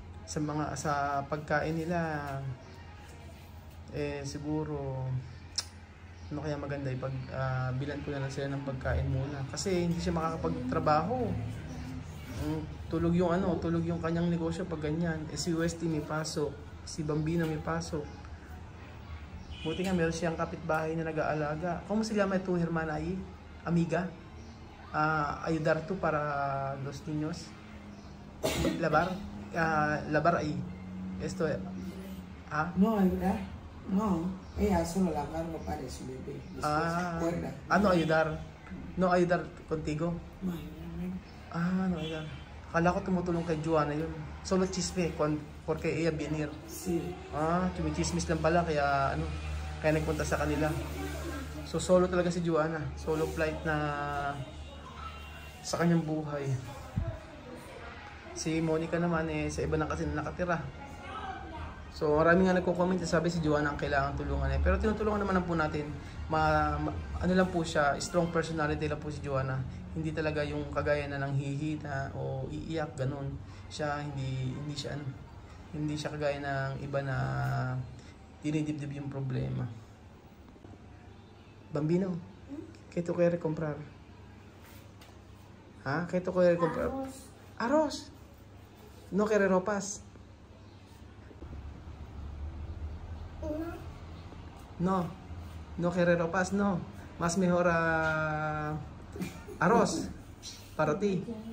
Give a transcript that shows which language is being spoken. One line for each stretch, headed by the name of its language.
Filipino: Sa pagkain nila, siguro, ano kaya maganda, bilan ko na lang sila ng pagkain muna. Kasi hindi siya makakapagtrabaho. Tulog yung kanyang negosyo pag ganyan. Si Westy may pasok, si Bambino may pasok. Buti nga meron siyang kapitbahay na nag-aalaga.
Spanish: Como se llama tu hermana ahí? Amiga? Ayudar tu para los niños? Labar? Labar ahí? Esto es... Ah? No, ¿verdad? No. Ella solo labar no para su bebé. No, ayudar. No, ayudar contigo? No,
Filipino: ah,
Spanish: no, ayudar.
Filipino: Kala ko tumutulong kay Joanna yun.
Spanish: Solo chisme, porque ella venir. Si.
Filipino: Ah, chumichismis lang pala, kaya nagpunta sa kanila. So, solo talaga si Joanna. Solo flight na sa kanyang buhay. Si Monica naman, sa iba na kasi na nakatira. So, maraming nga nagko-comment, sabi si Joanna ang kailangan tulungan. Pero tinutulungan naman po natin, ano lang po siya, strong personality lang po si Joanna. Hindi talaga yung kagaya na lang hihita o iiyak, ganun. Siya, hindi siya kagaya ng iba na dinidibdib yung problema.
Spanish: Bambino, ¿qué tú quieres comprar? Ha? ¿Qué tú quieres comprar? Arroz. ¿No quieres ropas? No, no quiere ropas, no. Más mejor arroz para ti.